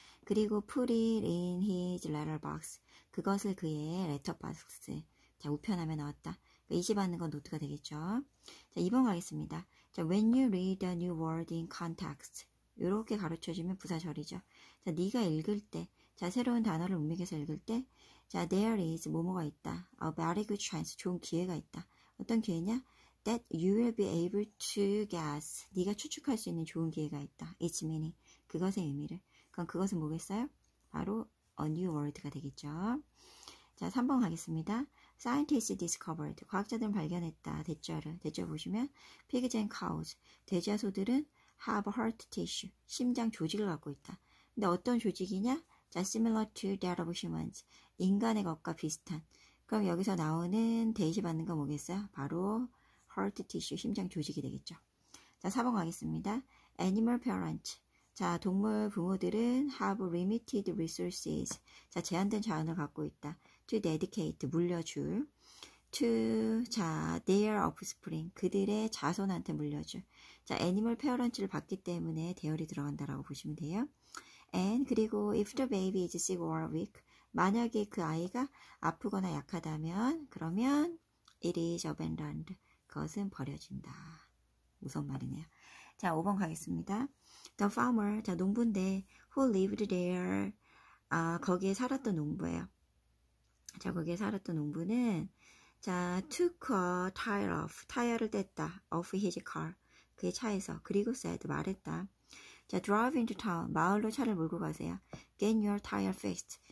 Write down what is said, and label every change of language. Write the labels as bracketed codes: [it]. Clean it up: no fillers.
[ko] 그리고 [en] put it in his letterbox. [ko] 그것을 그의 [en] letterbox [ko] 에. 자, 우편함에 넣었다. 이집하는 건 노트가 되겠죠. 자, 2번 가겠습니다. 자, [en] when you read a new word in context. [ko] 이렇게 가르쳐주면 부사절이죠. 자, 네가 읽을 때. 자, 새로운 단어를 문맥에서 읽을 때. 자, [en] there is [ko] 뭐뭐가 있다. [en] A very good chance. [ko] 좋은 기회가 있다. 어떤 기회냐? [en] That you will be able to guess. [ko] 네가 추측할 수 있는 좋은 기회가 있다. [en] Its meaning. [ko] 그것의 의미를. 그럼 그것은 뭐겠어요? 바로 [en] a new word [ko] 가 되겠죠. 자, 3번 가겠습니다. [en] Scientists discovered. [ko] 과학자들은 발견했다. 대자를. 대자 보시면 [en] pigs and cows. [ko] 돼지와 소들은 [en] have heart tissue. [ko] 심장 조직을 갖고 있다. 근데 어떤 조직이냐? [en] 자, similar to that of humans. [ko] 인간의 것과 비슷한. 그럼 여기서 나오는 대시 받는 건 뭐겠어요? 바로 heart tissue, 심장 조직이 되겠죠. 자, 4번 가겠습니다. [en] animal parents. [ko] 자, 동물 부모들은 [en] have limited resources. [ko] 자, 제한된 자원을 갖고 있다. [en] to dedicate, [ko] 물려줄. [en] to, [ko] 자, [en] their offspring, [ko] 그들의 자손한테 물려줄. 자, [en] animal parents [ko] 를 받기 때문에 대열이 들어간다라고 보시면 돼요. [en] and, [ko] 그리고 [en] if the baby is sick or weak, [ko] 만약에 그 아이가 아프거나 약하다면, 그러면 [en] it is abandoned. [ko] 그것은 버려진다. 무슨 말이네요. 자, 5번 가겠습니다. [en] The farmer, [ko] 자, 농부인데, [en] who lived there? [ko] 아, 거기에 살았던 농부예요. 자, 거기에 살았던 농부는, 자, [en] took a tire off, [ko] 타이어를 뗐다, [en] off his car, [ko] 그의 차에서, 그리고 [en] said, [ko] 말했다. 자, [en] drive into town, [ko] 마을로 차를 몰고 가세요. [en] Get your tire fixed.